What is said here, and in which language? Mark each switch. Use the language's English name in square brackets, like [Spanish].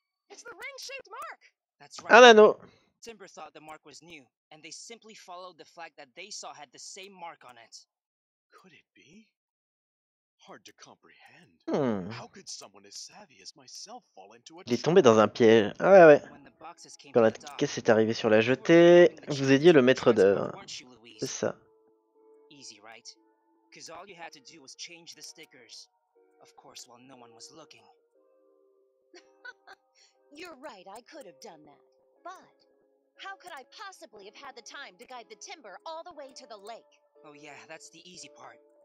[English] It's the ring-shaped mark! That's right. Ah, no. Timber thought the mark was new, and they simply followed the flag that they saw had the same mark on it. Could it be? Hard to comprehend. How could someone as savvy as myself fall into a... [French] Il est tombé dans un piège. Ah ouais, ouais. Quand la caisse est arrivée sur la jetée, vous aidiez le maître d'œuvre. C'est ça. [English] Easy, right? Because all you had to do was change the stickers. Of course, while no one was looking. You're right, I could have done that. But how could I possibly have had the time to guide the timber all the way to the lake? Oh yeah, that's the easy part.